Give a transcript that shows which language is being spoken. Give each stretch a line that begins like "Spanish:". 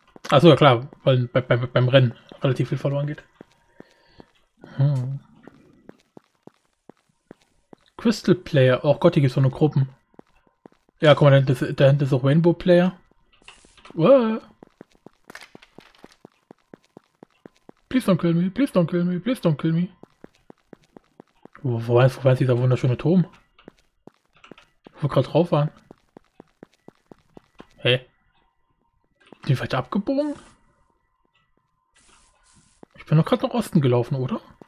German: Achso, ja klar, weil beim Rennen relativ viel verloren geht. Crystal Player. Oh Gott, hier gibt es so eine Gruppen. Ja, guck mal, dahinter ist auch Rainbow Player.
English: Please don't kill me, please don't kill me, please don't kill me.
German: Wo war dieser wunderschöne Turm? Wo wir gerade drauf waren. Hä? Sind wir weit abgebogen? Ich bin doch gerade nach Osten gelaufen, oder?